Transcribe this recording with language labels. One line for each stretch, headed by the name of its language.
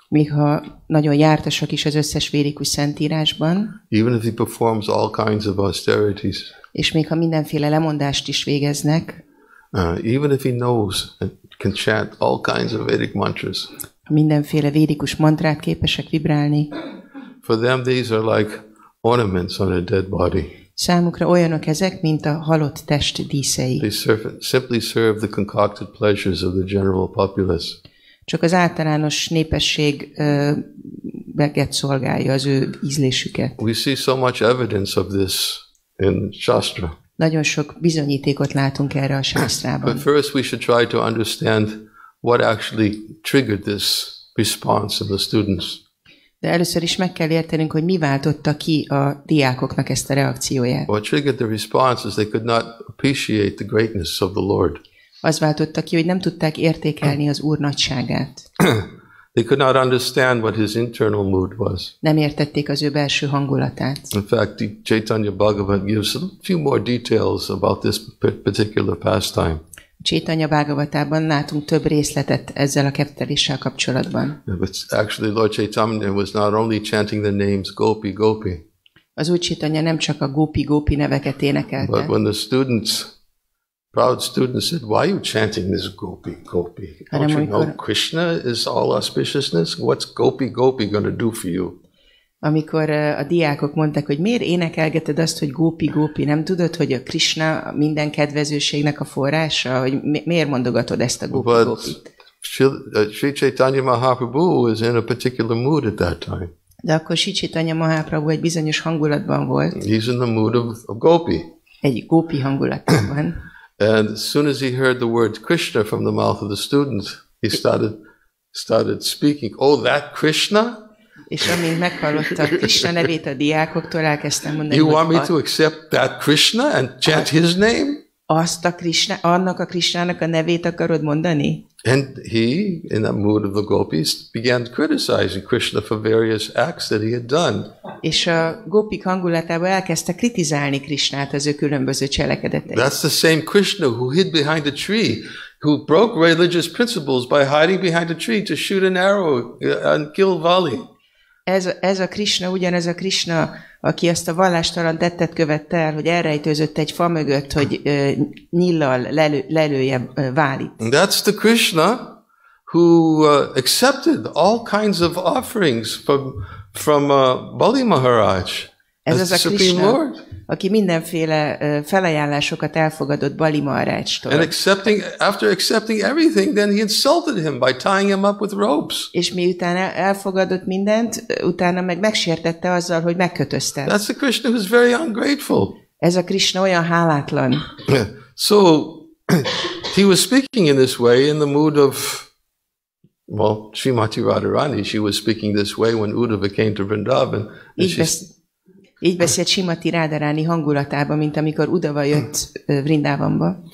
Hungarian: Még ha nagyon jártasak is az összes védikus szentírásban.
English: Even if he performs all kinds of austerities.
Hungarian: És még ha mindenféle lemondást is végeznek.
English: Even if he knows and can chant all kinds of Vedic mantras.
Hungarian: Ha mindenféle védikus mantrát képesek vibrálni.
English: For them these are like ornaments on a dead body.
Hungarian: Számukra olyanok ezek, mint a halott test díszei.
English: They simply serve the concocted pleasures of the general populace.
Hungarian: Csak az általános népesség beget szolgálja az ő ízlésüket.
English: We see so much evidence of this in Shastra.
Hungarian: Nagyon sok bizonyítékot látunk erre a Shastrában.
English: But first we should try to understand what actually triggered this response of the students.
Hungarian: De először is meg kell értenünk, hogy mi váltotta ki a diákoknak ezt a reakcióját.
English: What triggered the response is they could not appreciate the greatness of the Lord.
Hungarian: Az váltotta ki, hogy nem tudták értékelni az Úr nagyságát.
English: They could not understand what his internal mood was.
Hungarian: Nem értették az ő belső hangulatát.
English: In fact, Caitanya Bhagavat gives a few more details about this particular pastime.
Hungarian: Caitanya Bhagavatában látunk több részletet ezzel a kettéléssel kapcsolatban.
English: But actually, Lord Caitanya was not only chanting the names Gopi Gopi.
Hungarian: Az Úr Caitanya nem csak a Gopi Gopi neveket énekelte.
English: But when the students proud student said, why are you chanting this gopi gopi? Don't you know Krishna is all auspiciousness? What's gopi gopi going to do for you?
Hungarian: Amikor a diákok mondták, hogy miért énekelgeted azt, hogy gopi gopi, nem tudod, hogy a Krishna minden kedvezőségnek a forrása, hogy miért mondogatod ezt a gopi gopit?
English: Sri Caitanya Mahaprabhu was in a particular mood at that time.
Hungarian: De akkor Sri Caitanya Mahaprabhu egy bizonyos hangulatban volt.
English: He's in the mood of gopi.
Hungarian: Egy gopi hangulatban.
English: And as soon as he heard the word Krishna from the mouth of the student, he started speaking. Oh, that Krishna?
Hungarian: És amint meghallotta Krishna nevét a diákoktól, elkezdtem mondani.
English: You want me to accept that Krishna and chant his name?
Hungarian: Azt a Krishna, annak a Krishnának a nevét akarod mondani?
English: And he, in that mood of the gopis, began criticizing Krishna for various acts that he had done.
Hungarian: És a gopik hangulatában elkezdte kritizálni Krishnát az ő különböző cselekedeteit.
English: That's the same Krishna who hid behind a tree, who broke religious principles by hiding behind a tree to shoot an arrow and kill Vali.
Hungarian: Ez a Krishna, ugyanez a Krishna, aki azt a vallástalan tettet követte el, hogy elrejtőzött egy fa mögött, hogy nyillal lelője Válit.
English: That's the Krishna who accepted all kinds of offerings from Bali Maharaj.
Hungarian: Ez az a Krishna, aki mindenféle felajánlásokat elfogadott Bali Maharajtól.
English: And after accepting everything, then he insulted him by tying him up with ropes.
Hungarian: És miután elfogadott mindent, utána meg megsértette azzal, hogy megkötözte.
English: That's a Krishna who's very ungrateful.
Hungarian: Ez a Krishna olyan hálátlan.
English: So he was speaking in this way in the mood of Well, Srimati Radharani, she was speaking this way when Uddhava came to Vrindavan.
Hungarian: Így beszélt Srimati Radharani hangulatában, mint amikor Uddhava jött Vrindavanba.